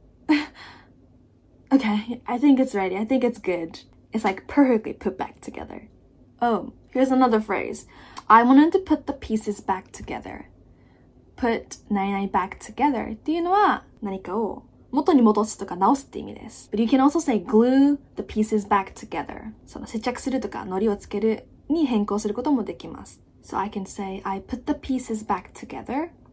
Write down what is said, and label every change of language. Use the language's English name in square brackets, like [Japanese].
[English] Okay, I think it's ready. I think it's good. It's like perfectly put back together. Oh, here's another phrase. I wanted to put the pieces back together. Put 99 back together. [Japanese] っていうのは何かを元に戻すとか直すって意味です. [English] But you can also say glue the pieces back together. [Japanese] その接着するとか糊をつけるに変更することもできます. [English] So I can say I put the pieces back together.